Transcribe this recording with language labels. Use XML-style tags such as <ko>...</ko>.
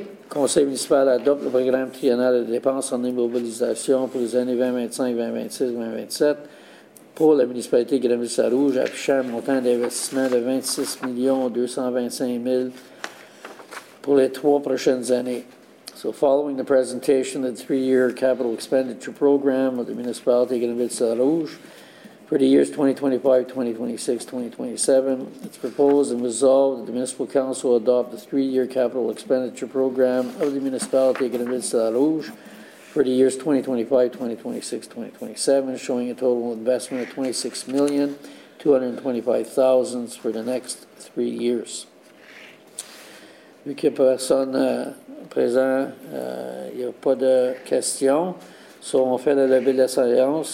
<fr>Le conseil municipal adopte le programme triennal des dépenses en immobilisation pour les années 2025-2026-2027 pour la municipalité Granville-Sarrouge, affichant un montant d'investissement de 26 225 000 pour les trois prochaines années.</fr> <en>So, following the presentation of the 3-year capital expenditure program of the municipality of Granville-Sarrouge for the years 2025-2026-2027, it's proposed and resolved that the municipal council adopt the 3-year capital expenditure program of the municipality of Granville-Sarrouge for the years 2025-2026-2027, showing a total investment of $26,225,000 for the next 3 years.</en> <fr>Vu qu'il n'y a personne présent, il n'y a pas de questions. So, on fait le levée de la séance.</fr>